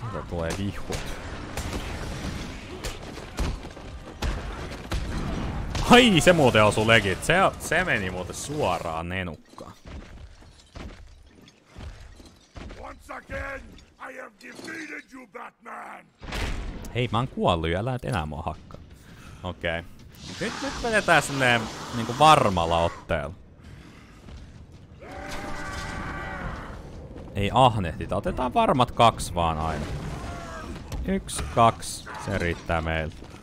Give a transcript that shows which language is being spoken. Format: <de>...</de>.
<fi>Tulee vihkut. Ai, se muuten osui legit. Se meni muuten suoraan nenukkaan.</fi> <en>Once again, I have defeated you, Batman.</en> <fi>Hei, mä oon kuollu ja älä et enää mua hakka. Okei. Okay. Nyt vedetään silleen niinku varmalla otteella. Ei ahnehtita, otetaan varmat kaksi vaan aina. Yksi, kaksi, se riittää meiltä.</fi>